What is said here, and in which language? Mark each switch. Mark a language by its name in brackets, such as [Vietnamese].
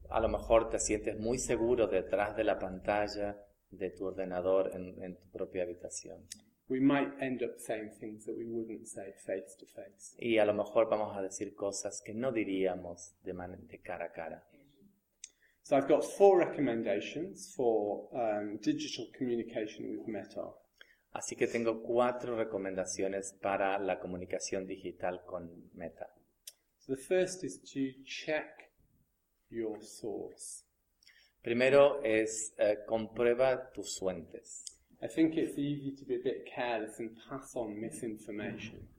[Spanish] A lo mejor te sientes muy seguro detrás de la pantalla de tu ordenador en tu propia habitación. [English] We might end up saying things that we wouldn't say face to face. [Spanish] Y a lo mejor vamos a decir cosas que no diríamos de cara a cara. [English] So I've got four recommendations for digital communication with Meta. [Spanish] Así que tengo cuatro recomendaciones para la comunicación digital con Meta. [English] So the first is to check your source. [Spanish] Primero es comprueba tus fuentes. [English] I think it's easy to be a bit careless and pass on misinformation.